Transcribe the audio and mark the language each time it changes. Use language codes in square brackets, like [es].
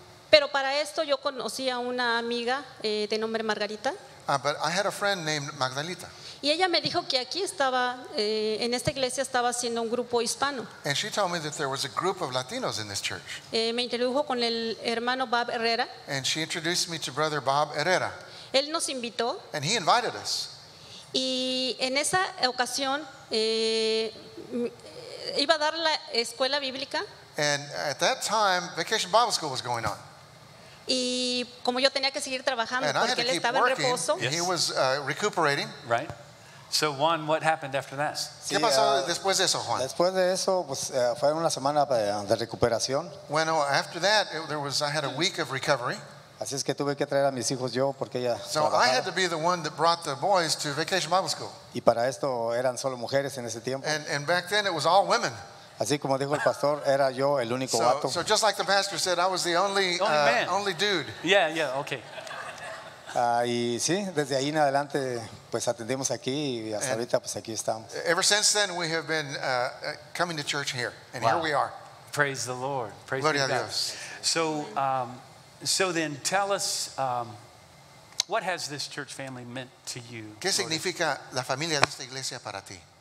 [es] Pero para esto yo conocí a una amiga de nombre Margarita. [en] But I had a friend named Magdalita. [es] Y ella me dijo que aquí estaba, en esta iglesia estaba haciendo un grupo hispano. [en] And she told me that there was a group of Latinos in this church. [es] Me introdujo con el hermano Bob Herrera. [en] And she introduced me to brother Bob Herrera. [es] Él nos invitó. [en] And he invited us. [es] Y en esa ocasión, iba a dar la escuela bíblica. [en] And at that time, Vacation Bible School was going on. [es] Y como yo tenía que seguir trabajando [en] and [es] porque él estaba [en] working. [es] En reposo. [en] Yes. He was recuperating. Right. So Juan, what happened after that? [es] Sí, ¿qué pasó después de eso, Juan? Después de eso, pues fue una semana de recuperación. [en] Bueno, after that, I had a week of recovery. [es] Así es que tuve que traer a mis hijos yo porque ella [en] so [es] trabajaba. [en] I had to be the one that brought the boys to Vacation Bible School. [es] Y para esto eran solo mujeres en ese tiempo. [en] And back then it was all women. [es] Así como dijo el pastor, era yo el único vato. [en] So just like the pastor said, I was the only man. Only dude. Yeah, yeah, okay. [es] Y sí, desde ahí en adelante, pues atendimos aquí y hasta ahorita, pues aquí estamos. [en] Ever since then, we have been coming to church here, and wow. Here we are. Praise the Lord. Praise [es] Gloria a Dios. [en] So then, tell us, what has this church family meant to you? [es] ¿Qué significa la familia de esta iglesia para ti?